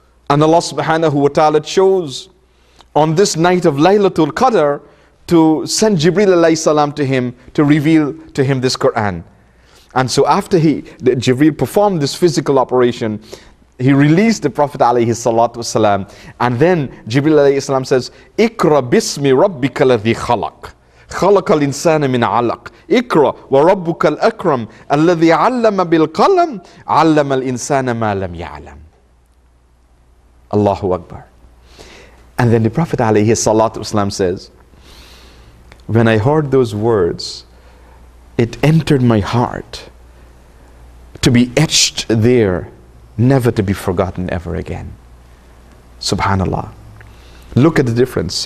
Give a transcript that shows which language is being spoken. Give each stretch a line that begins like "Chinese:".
English: And Allah subhanahu wa ta'ala chose on this night of Laylatul Qadr to send Jibreel alayhi salam to him to reveal to him this Quran. And so after Jibreel performed this physical operation, he released the Prophet alayhi salatu wasalam. And then Jibreel alayhi salam says,
Arabic: Ikra bismi rabbika ladhi khalaq. خلق الإنسان من علق اقرأ وربك الأكرم الذي علم بالقلم علم الإنسان ما لم يعلم. Allahu Akbar.
English: And then the Prophet alayhi salatu wasalam says, when I heard those words, it entered my heart to be etched there, never to be forgotten ever again. Subhanallah. Look at the difference.